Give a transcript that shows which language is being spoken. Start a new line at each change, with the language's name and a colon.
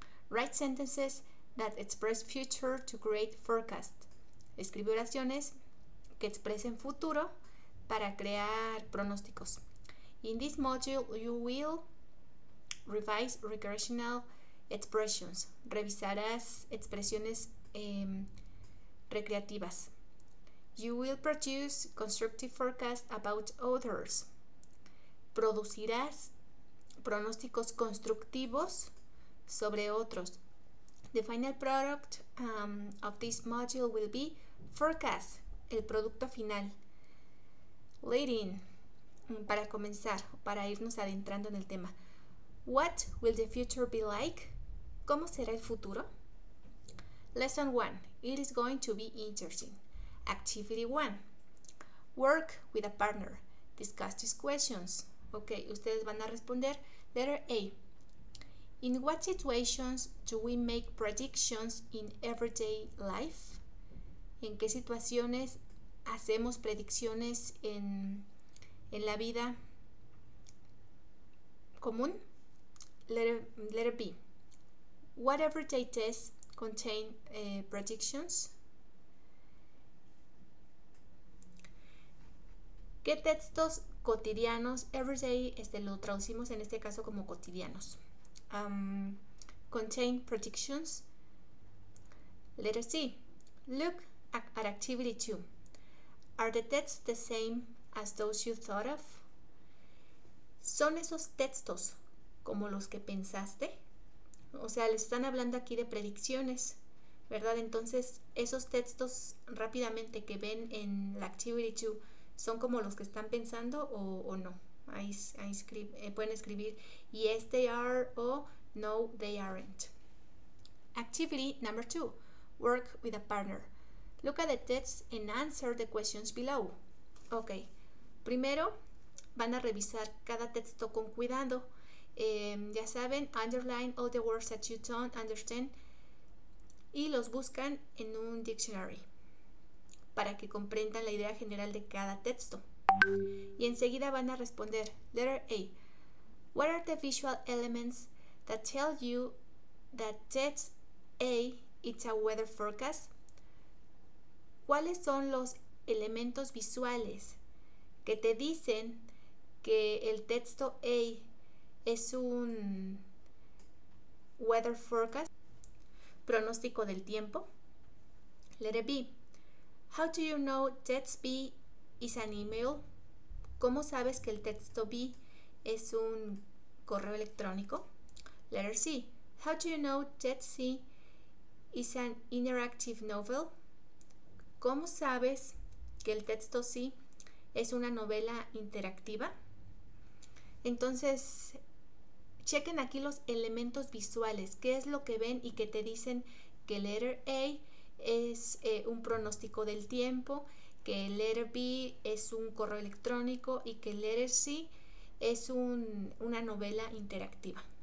English: Write sentences that express future to create forecast.
Spanish: Escribe oraciones que expresen futuro para crear pronósticos.
English: In this module, you will revise recreational expressions.
Spanish: Revisarás expresiones recreativas.
English: You will produce constructive forecasts about others.
Spanish: Producirás pronósticos constructivos sobre otros.
English: The final product of this module will be forecast,
Spanish: el producto final. Leading, para comenzar, para irnos adentrando en el tema.
English: What will the future be like?
Spanish: ¿Cómo será el futuro?
English: Lesson 1. It is going to be interesting. Activity 1. Work with a partner. Discuss these questions. Ok,
Spanish: ustedes van a responder.
English: Letter A. In what situations do we make predictions in everyday life?
Spanish: ¿En qué situaciones hacemos predicciones en la vida común?
English: Letter B. What everyday tests contain predictions?
Spanish: ¿Qué textos cotidianos, everyday, lo traducimos en este caso como cotidianos,
English: contain predictions? Letter C. Look at activity 2. Are the texts the same as those you thought of?
Spanish: ¿Son esos textos como los que pensaste? O sea, les están hablando aquí de predicciones, ¿verdad? Entonces, esos textos rápidamente que ven en la activity 2, ¿son como los que están pensando o no? Pueden escribir
English: yes they are
Spanish: o
English: no they aren't. Activity number 2. Work with a partner. Look at the text and answer the questions below. Ok.
Spanish: Primero van a revisar cada texto con cuidado. Ya saben,
English: underline all the words that you don't understand.
Spanish: Y los buscan en un dictionary, para que comprendan la idea general de cada texto. Y enseguida van a responder. Letter A.
English: What are the visual elements that tell you that text A is a weather forecast?
Spanish: ¿Cuáles son los elementos visuales que te dicen que el texto A es un weather forecast, pronóstico del tiempo?
English: Letter B. How do you know text B is an email?
Spanish: ¿Cómo sabes que el texto B es un correo electrónico?
English: Letter C. How do you know text C is an interactive novel?
Spanish: ¿Cómo sabes que el texto C es una novela interactiva? Entonces, chequen aquí los elementos visuales. ¿Qué es lo que ven y que te dicen que letter A es un pronóstico del tiempo, que letter B es un correo electrónico y que letter C es una novela interactiva?